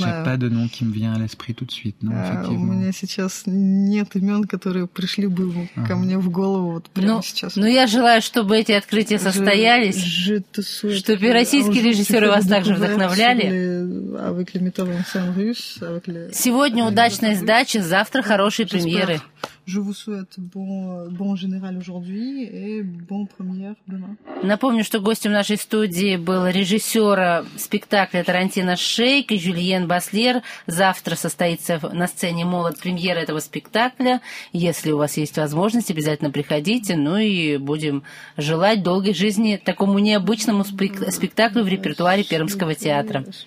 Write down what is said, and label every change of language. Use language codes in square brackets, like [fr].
[fr] Là, j'ai pas de nom qui me vient à l'esprit tout de suite, non, effectivement. [ru] У меня сейчас нет имен, которые пришли бы ко мне в голову вот прямо сейчас. Но я желаю, чтобы эти открытия состоялись, чтобы российские режиссеры вас также вдохновляли. Сегодня удачная сдача, завтра хорошие премьеры. [fr] Je vous souhaite bon général aujourd'hui et bon première demain. [ru] Напомню, что гостем нашей студии был режиссер спектакля Тарантино «Шейк» Жюльен Баслер. Завтра состоится на сцене «Молот» премьера этого спектакля. Если у вас есть возможность, обязательно приходите. Ну и будем желать долгой жизни такому необычному спектаклю в репертуаре Пермского театра.